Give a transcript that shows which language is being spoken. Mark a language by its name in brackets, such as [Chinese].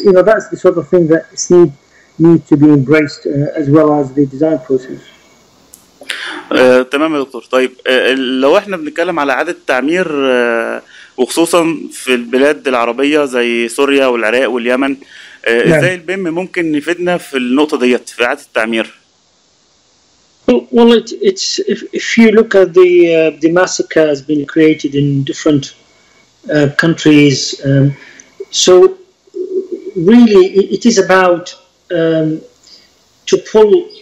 [English] You know, that's the sort of thing that need to be embraced as well as the design process. [Arabic] تمام يا دكتور. طيب لو احنا بنتكلم على اعاده التعمير وخصوصا في البلاد العربيه زي سوريا والعراق واليمن, ازاي البيم ممكن يفيدنا في النقطه ديت في اعاده التعمير؟ [English] Well, it's if you look at the massacre has been created in different countries, so really it is about to pull